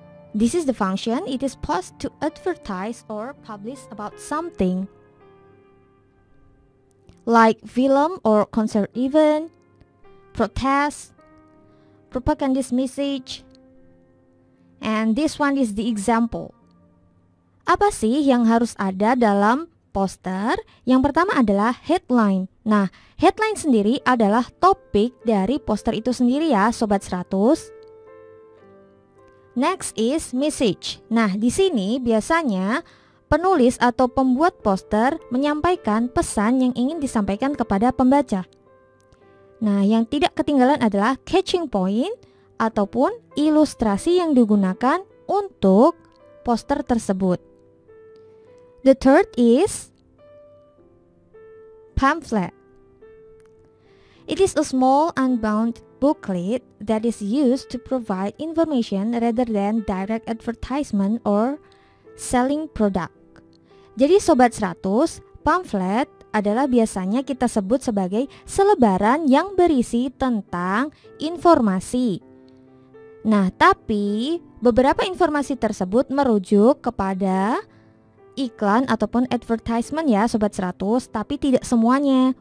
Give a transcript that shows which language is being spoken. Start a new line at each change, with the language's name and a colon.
English: This is the function it is supposed to advertise or publish about something like film or concert event, protest, propaganda message, and this one is the example.
Indonesian: Apa sih yang harus ada dalam poster? Yang pertama adalah headline. Nah, headline sendiri adalah topik dari poster itu sendiri ya, Sobat 100.
English: Next is message.
Indonesian: Nah, di sini biasanya penulis atau pembuat poster menyampaikan pesan yang ingin disampaikan kepada pembaca. Nah, yang tidak ketinggalan adalah catching point ataupun ilustrasi yang digunakan untuk poster tersebut.
English: The third is pamphlet. It is a small unbound booklet that is used to provide information rather than direct advertisement or selling product.
Indonesian: Jadi Sobat 100, pamflet adalah biasanya kita sebut sebagai selebaran yang berisi tentang informasi. Nah, tapi beberapa informasi tersebut merujuk kepada iklan ataupun advertisement ya Sobat 100, tapi tidak semuanya.